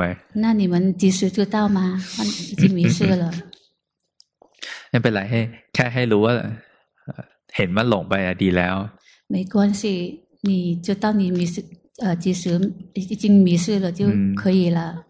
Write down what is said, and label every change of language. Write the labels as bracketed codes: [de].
[th] หม [zh] 那你们及时知道吗 [th] มัน [zh] 已经迷失了 [th] ไม่เป็นไรแค่ให้รู้ว่าเห็นว่าหลงไปดีแล้ว [zh] 没关系你知道你迷失及时已经迷失了就可以了